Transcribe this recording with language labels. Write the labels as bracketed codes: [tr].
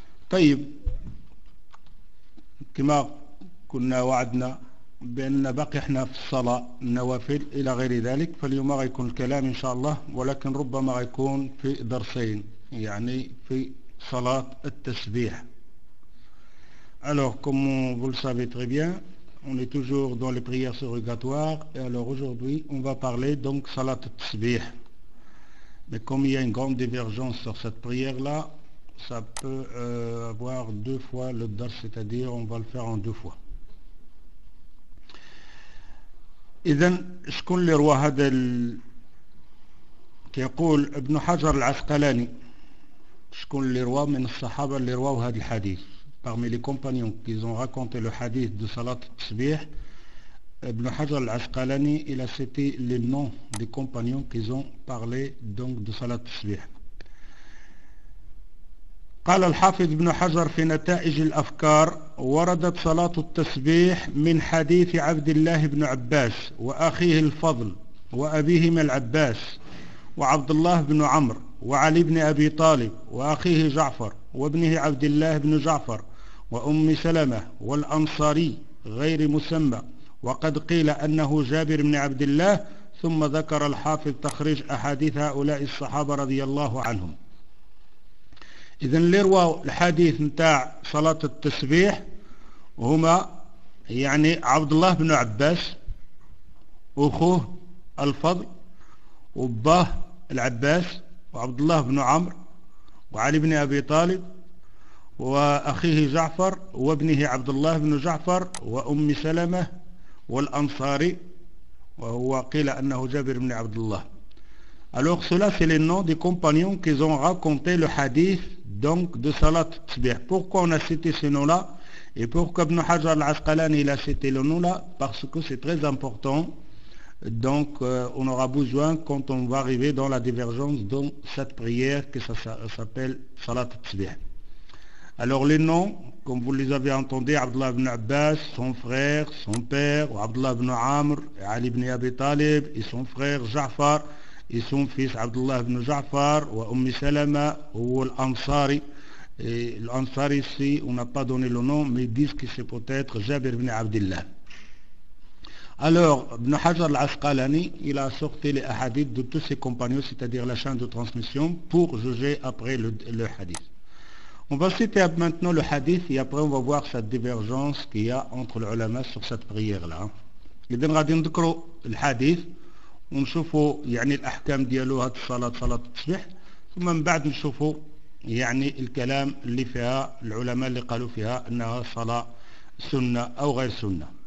[ar] طيب، كما كنا وعدنا بأن بقي احنا في الصلاة النوافل إلى غير ذلك، فاليوم غيكون الكلام إن شاء الله، ولكن ربما غيكون في درسين، يعني في صلاة التسبيح. [fr] Alors, comme vous le savez très bien, on est toujours dans les prières surrogatoires, et alors aujourd'hui, on va parler donc Salat al-Tasbih. Mais comme il y a une grande divergence sur cette prière-là, ça peut avoir deux fois le dars, c'est-à-dire on va le faire en deux fois. [ar] إذن شكون اللي روى هذا كيقول ابن حجر العسقلاني شكون اللي روى من الصحابة اللي رواه هذا الحديث. [fr] Parmi les compagnons qui ont raconté le hadith de Salat Tasbih, Ibn Hajar al-Asqalani, il a cité les noms des compagnons qui ont parlé donc de Salat Tasbih. [ar] قال الحافظ ابن حجر في نتائج الأفكار وردت صلاة التسبيح من حديث عبد الله بن عباس وأخيه الفضل وأبيهما العباس وعبد الله بن عمرو وعلي بن أبي طالب وأخيه جعفر وابنه عبد الله بن جعفر وأم سلمة والأنصاري غير مسمى، وقد قيل أنه جابر بن عبد الله، ثم ذكر الحافظ تخريج أحاديث هؤلاء الصحابة رضي الله عنهم. إذن اللي رواه الحديث نتاع صلاة التسبيح هما يعني عبد الله بن عباس أخوه الفضل وباه العباس وعبد الله بن عمرو وعلي بن أبي طالب وأخيه جعفر وابنه عبد الله بن جعفر وأم سلمة والأنصاري، وهو قيل أنه جابر بن عبد الله. [fr] Alors cela c'est les noms des compagnons qui ont raconté le hadith donc de Salat Tasbih. Pourquoi on a cité ces noms-là et pourquoi Ibn Hajar al-Asqalani il a cité le nom-là? Parce que c'est très important. Donc on aura besoin quand on va arriver dans la divergence dans cette prière que ça s'appelle Salat Tasbih. Alors les noms, comme vous les avez entendus, Abdullah ibn Abbas, son frère, son père, Abdullah ibn Amr, Ali ibn Abi Talib et son frère Ja'far, et son fils Abdullah ibn Ja'far, ou Ummi Salama, ou l'Ansari. Et l'Ansari ici, on n'a pas donné le nom, mais ils disent que c'est peut-être Jabir ibn Abdullah. Alors, Ibn Hajar al-Asqalani, il a sorti les hadiths de tous ses compagnons, c'est-à-dire la chaîne de transmission, pour juger après le hadith. On va citer maintenant le hadith, et après on va voir cette divergence qu'il y a entre les ulama sur cette prière-là. Et on va dire le hadith, [ar] ونشوفوا يعني الأحكام ديالو هاد الصلاة صلاة التسبيح، ثم من بعد نشوفوا يعني الكلام اللي فيها العلماء اللي قالوا فيها أنها صلاة سنة أو غير سنة.